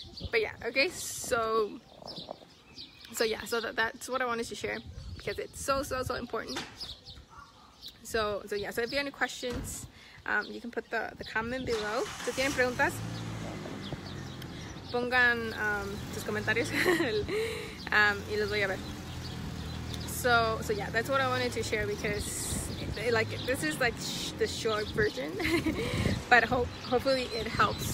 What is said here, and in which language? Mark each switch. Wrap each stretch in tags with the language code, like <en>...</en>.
<en>But yeah, okay, so So yeah, so that's what I wanted to share because it's so important. So if you have any questions, you can put the comment below.</en> <es>Si tienen preguntas, pongan sus comentarios y los voy a ver.</es> <en>So yeah, that's what I wanted to share because this is like the short version, but hopefully it helps.</en>